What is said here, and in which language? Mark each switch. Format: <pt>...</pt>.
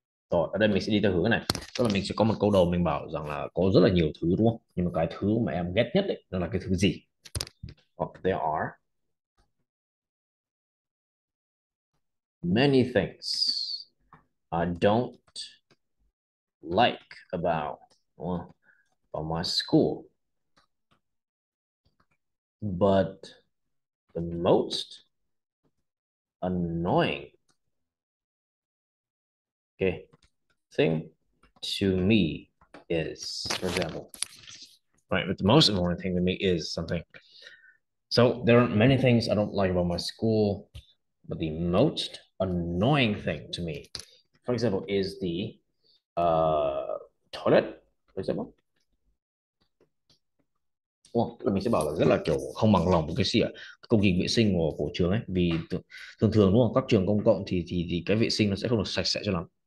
<vi>Rồi, ở đây mình sẽ đi theo hướng này. Tức là mình sẽ có một câu đầu mình bảo rằng là có rất là nhiều thứ đúng không? Nhưng mà cái thứ mà em ghét nhất đấy là cái thứ gì? Hoặc</vi> <en>there are many things I don't like about, about my school. But the most annoying. Okay. Thing to me is, for example, right, but the most important thing to me is something. So there are many things I don't like about my school, but the most annoying thing to me, for example, is the toilet, for example.</en> <vi>Ủa, là mình sẽ bảo là rất là kiểu không bằng lòng với cái gì ạ? Công trình vệ sinh của trường ấy, vì thường thường đúng không? Các trường công cộng thì cái vệ sinh nó sẽ không được sạch sẽ cho lắm.</vi>